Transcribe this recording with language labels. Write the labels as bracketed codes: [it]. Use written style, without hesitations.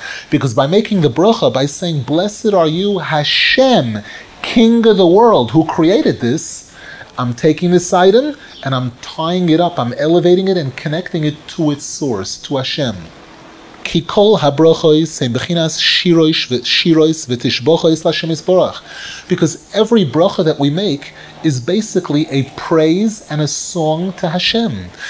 [en] Because by making the bracha, by saying, blessed are you, Hashem, King of the world, who created this, I'm taking this item and I'm tying it up, I'm elevating it and connecting it to its source, to Hashem. [he] כי כל הברכות הן בחינת שירויס ותשבחות לשם יתברך. [en] Because every bracha that we make is basically a praise and a song to Hashem.